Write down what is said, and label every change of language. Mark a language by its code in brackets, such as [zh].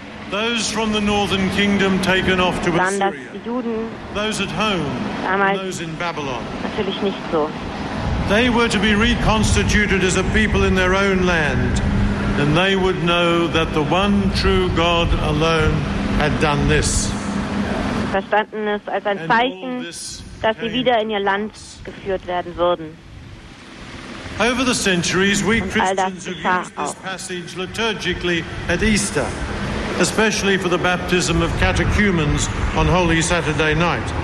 [en] Those from the northern kingdom taken off to Assyria. [de] Dann die Juden, [en] those at home, [de] damals, [en] those in Babylon. [de] Natürlich nicht so. [en] They were to be reconstituted as a people in their own land, and they would know that the one true God alone had done this. [de] Verstanden es als ein Zeichen, dass sie wieder in ihr Land geführt werden würden. [en] Over the centuries, we Christians have used this passage liturgically at Easter, especially for the baptism of catechumens on Holy Saturday night.